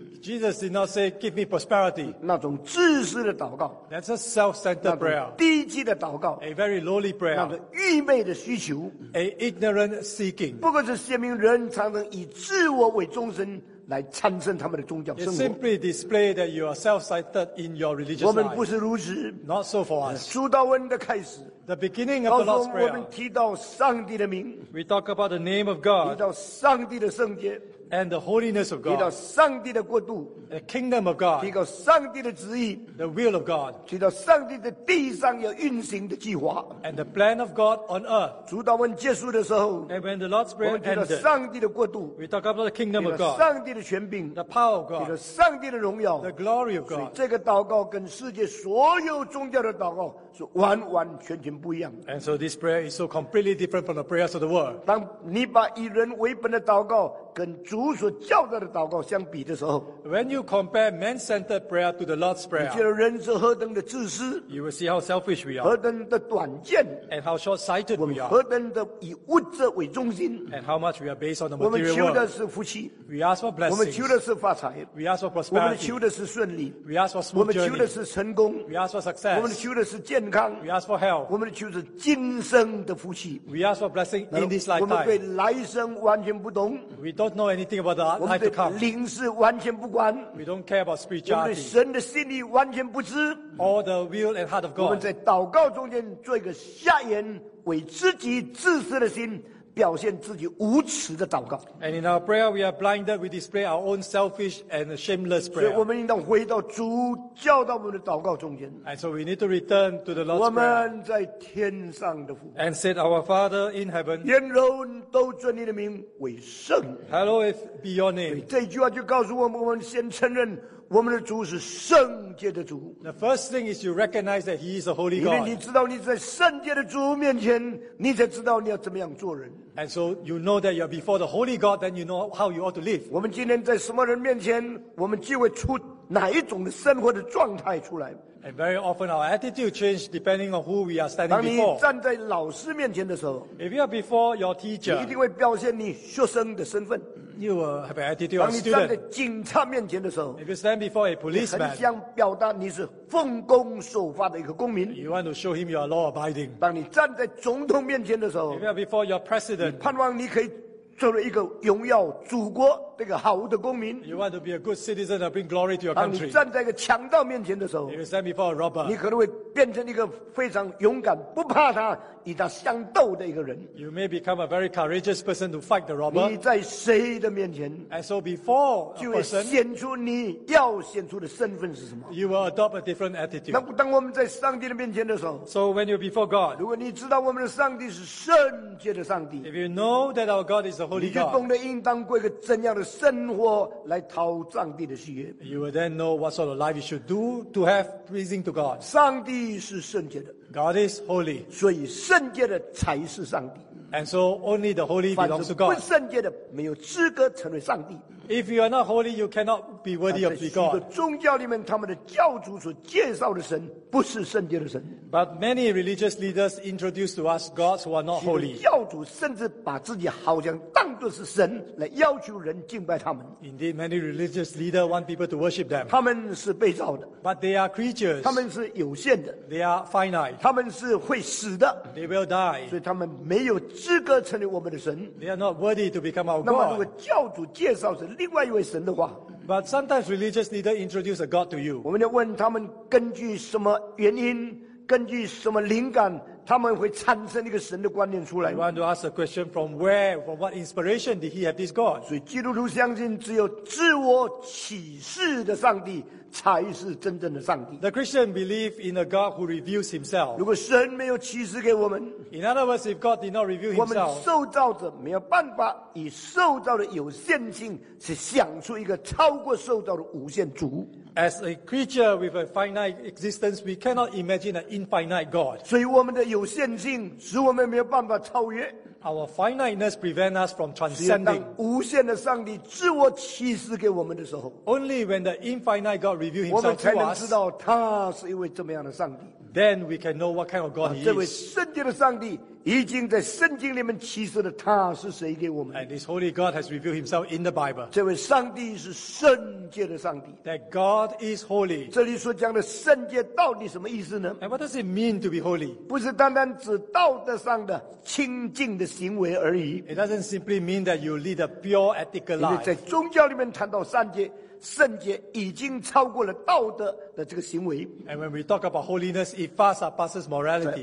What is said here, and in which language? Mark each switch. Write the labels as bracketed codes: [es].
[en] Jesus did not say, "Give me prosperity." [zh] 那种自私的祷告 [en] That's a self-centered prayer. [zh] 低级的祷告 [en] A very lowly prayer. [zh] 那个愚昧的需求 [en] A ignorant seeking. [zh] 不过是显明人常常以自我为中心来参政他们的宗教生活 [en] It simply displays that you are self-centered in your religious life. [zh] 我们不是如此 [en] Not so for us. [zh] 主道恩的开始 [en] The beginning of the Lord's prayer. [zh] 告诉我们提到上帝的名 [en] We talk about the name of God. [zh] 提到上帝的圣洁 [en] And the holiness of God. [zh] 提到上帝的国度 [en] The kingdom of God. [zh] 提到上帝的旨意 [en] The will of God. [zh] 提到上帝的地上要运行的计划 [en] And the plan of God on earth. [zh] 主祷文结束的时候 [en] And when the Lord's prayer ended. [zh] 我们提到上帝的国度 [en] We talk about the kingdom of God. [zh] 提到上帝的权柄 [en] The power of God. [zh] 提到上帝的荣耀 [en] The glory of God. [zh] 所以这个祷告跟世界所有宗教的祷告是完完全全不一样 [en] And so this prayer is so completely different from the prayers of the world. [zh] 当你把以人为本的祷告跟主所教导的祷告相比的时候 [en] When you compare man-centered prayer to the Lord's prayer [zh] 你觉得人是何等的自私 [en] You will see how selfish we are [zh] 何等的短见 [en] And how short-sighted we are [zh] 我们何等的以物质为中心 [en] And how much we are based on the material world [zh] 我们求的是福气 [en] We ask for blessings [zh] 我们求的是发财 [en] We ask for prosperity [zh] 我们求的是顺利 [en] We ask for smooth journey [zh] 我们求的是成功 [en] We ask for success [zh] 我们求的是健康 [en] We ask for health [zh] 我们求的是今生的福气 [en] We ask for blessing in this lifetime [zh] 我们对来生完全不懂 [en] We don'tknow anything about the life to come. [zh] 灵是完全不管。 [en] We don't care about spirituality. [zh] 我们对神的心意完全不知。 [en] All the will and heart of God. [zh] 我们在祷告中间做一个瞎眼，为自己自私的心表现自己无耻的祷告。 [en] And in our prayer, we are blinded. We display our own selfish and shameless prayer. [zh] 所以我们应当回到主教导我们的祷告中间。 [en] And so we need to return to the Lord's prayer. [zh] 我们在天上的父。 [en] And said our Father in heaven. [zh] 愿荣都尊你的名为圣。 [en] Hallowed be your name. [zh] 这句话就告诉我们，我们先承认。我们的主是圣洁的主。 [en] The first thing is you recognize that He is a holy God. [zh] 因为你知道你在圣洁的主面前，你才知道你要怎么样做人。 [en] And so you know that you're before the holy God, then you know how you ought to live. [zh] 我们今天在什么人面前，我们就会出哪一种的生活的状态出来。 [en] And very often our attitude changes depending on who we are standing before. [zh] 当你站在老师面前的时候 [en] ，If you are before your teacher, [zh] 你一定会表现你学生的身份。 [en] You will have an attitude. [zh] 当你站在警察面前的时候 [en] ，If you stand before a policeman, [zh] 你很想表达你是奉公守法的一个公民。 [en] You want to show him you are law abiding. [zh] 当你站在总统面前的时候 [en] ，If you are before your president, [zh] 你盼望你可以做了一个荣耀祖国这个好的公民。 [en] You want to be a good citizen and bring glory to your country. [zh] 当你站在一个强盗面前的时候 [en] ，You stand before a robber. [zh] 你可能会变成一个非常勇敢不怕他与他相斗的一个人。 [en] You may become a very courageous person to fight the robber. [zh] 你在谁的面前 [en] ？And so before a person, [zh] 就会显出你要显出的身份是什么 [en] ？You will adopt a different attitude. [zh] 那当我们在上帝的面前的时候 [en] ，So when you're before God, [zh] 如果你知道我们的上帝是圣洁的上帝 [en] ，If you know that our God is the Holy God, [zh] 你就懂得应当过一个怎样的生活来讨上帝的喜悦。 [en] You will then know what sort of life you should do to have pleasing to God. [zh] 上帝是圣洁的。 [en] God is holy. [zh] 所以圣洁的才是上帝。 [en] And so only the holy belongs to God. [zh] 不圣洁的没有资格成为上帝。 [en] If you are not holy, you cannot be worthy of being God. [zh] 在许多宗教里面，他们的教主所介绍的神不是圣洁的神。 [en] But many religious leaders introduce to us gods who are not holy. [zh] 教主甚至把自己好像当作是神来要求人敬拜他们。 [en] Indeed, many religious leaders want people to worship them. [zh] 他们是被造的。 [en] But they are creatures. [zh] 他们是有限的。 [en] They are finite. [zh] 他们是会死的。 [en] They will die. [zh] 所以他们没有资格成为我们的神。 [en] They are not worthy to become our God. [zh] 那么如果教主介绍是另外一位神的话 [en] ，But sometimes religious leader introduce a God to you. [zh] 我们要问他们根据什么原因，根据什么灵感，他们会产生一个神的观念出来。 [en] We want to ask a question from where, from what inspiration did he have this God? [zh] 所以基督徒相信只有自我启示的上帝才是真正的上帝。 [en] The Christian believe in a God who reveals himself. [zh] 如果神没有启示给我们 [en] ，In other words, if God did not reveal himself, [zh] 我们受造者没有办法以受造的有限性去想出一个超过受造的无限主。 [en] As a creature with a finite existence, we cannot imagine an infinite God. [zh] 所以我们的有限性使我们没有办法超越。 [en] Our finiteness prevents us from transcending. [zh] 当无限的上帝自我启示给我们的时候 [en] ，Only when the infinite God reveals himself to us, [zh] 我们才能知道他是一位怎么样的上帝。 [en] Then we can know what kind of God he is. [zh] 这位圣洁的上帝已经在圣经里面启示了他是谁给我们。 [en] And this holy God has revealed himself in the Bible. [zh] 这位上帝是圣洁的上帝。 [en] That God is holy. [zh] 这里所讲的圣洁到底什么意思呢 [en] ？And what does it mean to be holy? [zh] 不是单单指道德上的清净的行为而已。 [en] It doesn't simply mean that you lead a pure ethical life. [zh] 因为在宗教里面谈到圣洁。圣洁已经超过了道德的这个行为。 [en] And when we talk about holiness, it far surpasses morality.